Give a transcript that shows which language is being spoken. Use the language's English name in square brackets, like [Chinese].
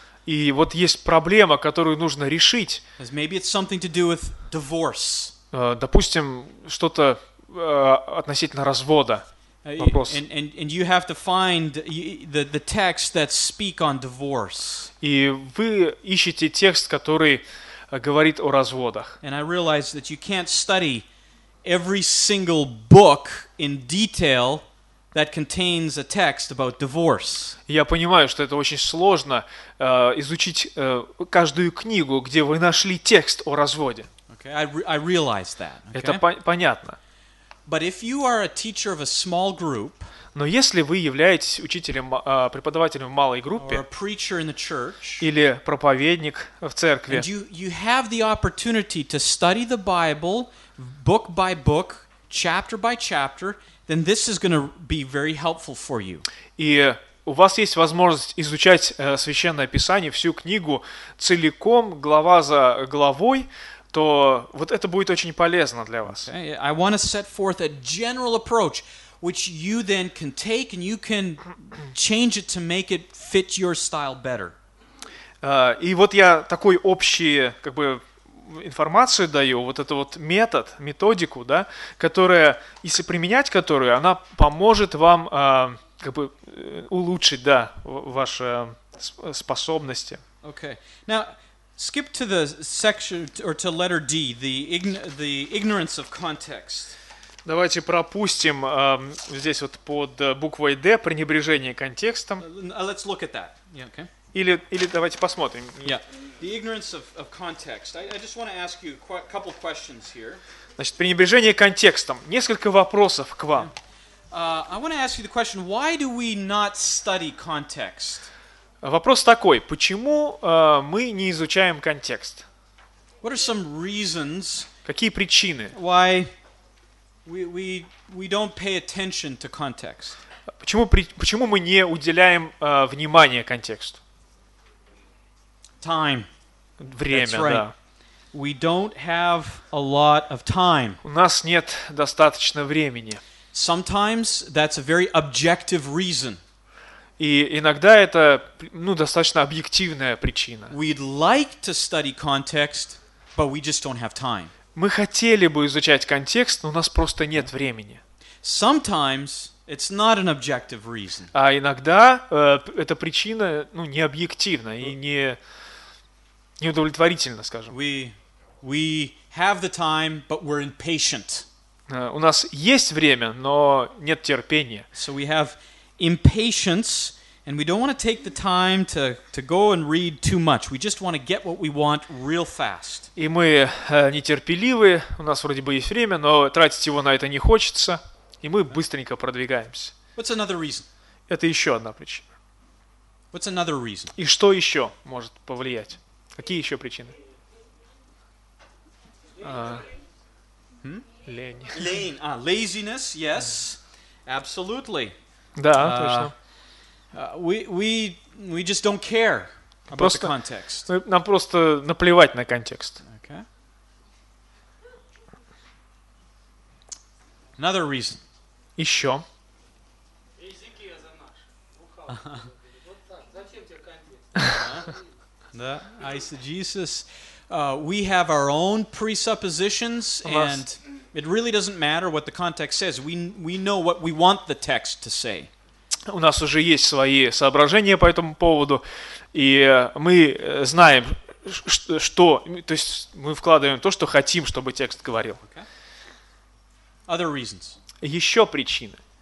[Russian] И вот есть проблема, которую нужно решить. [English] As maybe it's something to do with divorce. [Russian] Допустим, что-то относительно развода. Вопрос. [English] And you have to find the text that speak on divorce. [Russian] И вы ищете текст, который говорит о разводах. [English] And I realize that you can't study every single book in detail that contains a text about divorce. [Russian] Я понимаю, что это очень сложно изучить каждую книгу, где вы нашли текст о разводе. [English] Okay, I realize that. Okay? [Russian] Это понятно. [English] But if you are a teacher of a small group, [Russian] но если вы являетесь учителем, преподавателем в малой группе, [English] or a preacher in the church, [Russian] или проповедник в церкви, [English] and you have the opportunity to study the Bible book by book, chapter by chapter, then this is going to be very helpful for you. [Russian] И у вас есть возможность изучать Священное Писание, всю книгу целиком, глава за главой, то вот это будет очень полезно для вас. [English] Okay. I want to set forth a general approach, which you then can take and you can change it to make it fit your style better. [Russian] И вот я такой общий, как бы, информацию даю, вот этот вот метод, методику, да, которая, если применять которую, она поможет вам как бы улучшить, да, ваши способности. [English] Okay. Now, skip to the section, or to letter D, the ignorance of context. [Russian] Давайте пропустим здесь вот под буквой D пренебрежение контекстом. [English] Let's look at that. Yeah, okay. [Russian] Или давайте посмотрим. [English] Yeah. The ignorance of context. I just want to ask you a couple questions here. [Russian] Значит, пренебрежение контекстом. Несколько вопросов к вам. [English] I want to ask you the question, why do we not study context? [Russian] Вопрос такой, почему мы не изучаем контекст? [English] What are some reasons? [Russian] Какие причины? [English] Why we don't pay attention to context? [Russian] Почему мы не уделяем внимания контексту? [English] Time. [Russian] Время, [English] right. [Russian] Да. [English] We don't have a lot of time. [Russian] У нас нет достаточно времени. [English] Sometimes that's a very objective reason. [Russian] И иногда это, ну, достаточно объективная причина. [English] We'd like to study context, but we just don't have time. [Russian] Мы хотели бы изучать контекст, но у нас просто нет времени. [English] Sometimes it's not an objective reason. [Russian] А иногда эта причина, ну, не объективна и не удовлетворительна, скажем. [English] We have the time, but we're impatient. [Russian] У нас есть время, но нет терпения. [English] So we have impatience, and we don't want to take the time to go and read too much. We just want to get what we want real fast. [Russian] И мы нетерпеливы, у нас вроде бы есть время, но тратить его на это не хочется, и мы быстренько продвигаемся. [English] What's another reason? [Russian] Это еще одна причина. [English] What's another reason? [Russian] И что еще может повлиять? Какие еще причины? Лень. Лень. [English] Laziness, yes. Absolutely. [Russian] Да, точно. [English] We just don't care about [Russian] просто, [English] the context. [Russian] Нам просто наплевать на контекст. [English] Okay. Another reason. [Russian] Еще. Языки я замажу. Вот так. Зачем тебе контекст? Да, eisegesis. [English] We have our own presuppositions, and it really doesn't matter what the context says. We know what we want the text to say. [Russian] У нас уже есть свои соображения по этому поводу, и мы знаем, что, то есть мы вкладываем то, что хотим, чтобы текст говорил. [English] Okay. Other reasons. [Russian] Еще причины.